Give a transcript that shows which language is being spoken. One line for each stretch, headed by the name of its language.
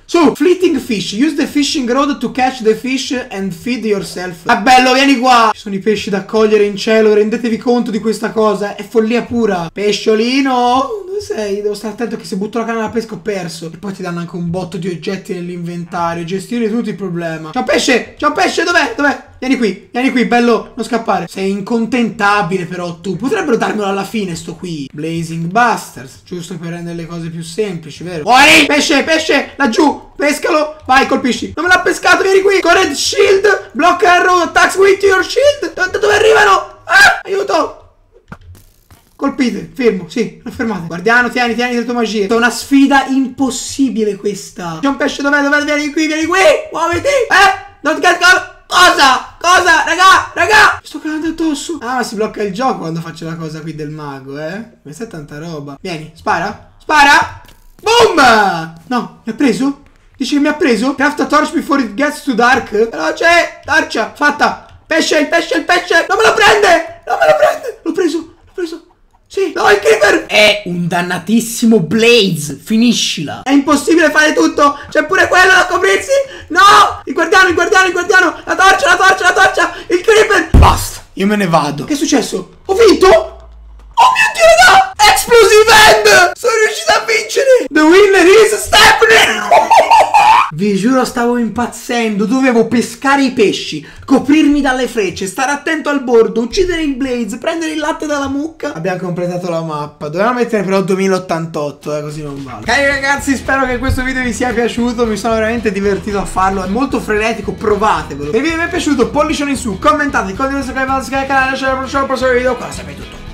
English: So, fleeting fish, use the fishing rod to catch the fish and feed yourself.
Italian: Ah, bello, vieni qua. Ci sono i pesci da cogliere in cielo, rendetevi conto di questa cosa, è follia pura. Pesciolino, dove sei? Devo stare attento che se butto la canna da pesca ho perso. E poi ti danno anche un botto di oggetti nell'inventario, gestire tutto il problema. Ciao pesce, dov'è? Vieni qui, bello, non scappare. Sei incontentabile però tu. Potrebbero darmelo alla fine sto qui. Blazing Busters, giusto per rendere le cose più semplici, vero? Muori! Pesce, laggiù, pescalo. Vai, colpisci. Non me l'ha pescato, vieni qui.
English: Current shield, block arrow, attacks with your shield.
Italian: Da dove arrivano? Ah, aiuto. Colpite, fermo, sì, lo fermate. Guardiano, tieni le tue magie. È una sfida impossibile questa. C'è un pesce, dov'è? Vieni qui, muoviti.
English: Don't get caught.
Italian: Cosa? Raga! Mi sto calando addosso. Ah, ma si blocca il gioco quando faccio la cosa qui del mago, eh? Questa è tanta roba. Vieni, spara! Boom! No, mi ha preso? Dice che mi ha preso?
English: Craft a torch before it gets too dark.
Italian: Veloce! Torcia! Fatta! Pesce! Non me lo prende! Non me lo prende! L'ho preso! L'ho preso! Sì! No, il creeper! È un dannatissimo Blaze! Finiscila! È impossibile fare tutto! C'è pure quello da coprirsi! No! Il guardiano, il guardiano, il guardiano! La torcia, la torcia, la torcia! Il creeper! Basta! Io me ne vado! Che è successo? Ho vinto? Oh mio Dio, no!
English: Explosive End!
Italian: Sono riuscito a vincere!
English: The winner is Stephanie!
Italian: Vi giuro, stavo impazzendo. Dovevo pescare i pesci, coprirmi dalle frecce, stare attento al bordo, uccidere il Blaze, prendere il latte dalla mucca. Abbiamo completato la mappa. Dovevamo mettere però 2088, così non vale. Cari ragazzi, spero che questo video vi sia piaciuto. Mi sono veramente divertito a farlo. È molto frenetico, provatevelo. Se vi è piaciuto, pollicione in su, commentate, condividete, iscrivetevi al canale, lasciate un like, lasciate un prossimo video. Qua sapete tutto.